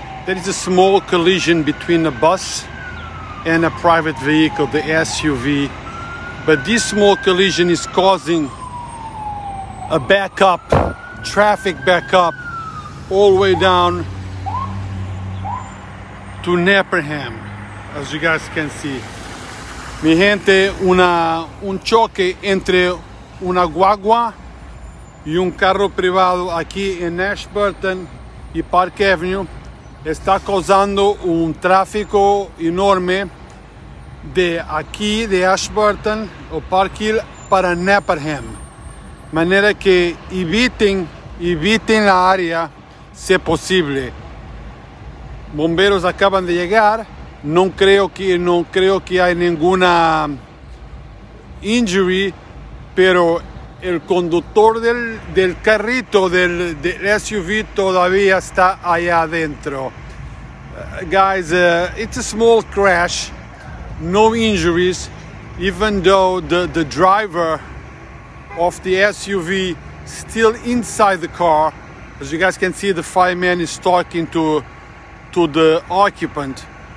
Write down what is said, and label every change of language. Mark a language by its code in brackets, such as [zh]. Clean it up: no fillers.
[en] There is a small collision between a bus and a private vehicle, the SUV. But this small collision is causing a backup, traffic backup, all the way down to Nepperham, as you guys can see. [es] Mi gente, un choque entre una guagua y un carro privado aquí en Ashburton y Park Avenue está causando un tráfico enorme de aquí de Ashburton o Park Hill para Nepperham. Manera que eviten la área si posible. Bomberos acaban de llegar. No creo que hay ninguna injury, pero el conductor del carrito, del SUV, todavía está allá adentro. [en] Guys, it's a small crash, no injuries, even though the driver of the SUV still inside the car. As you guys can see, the fireman is talking to the occupant.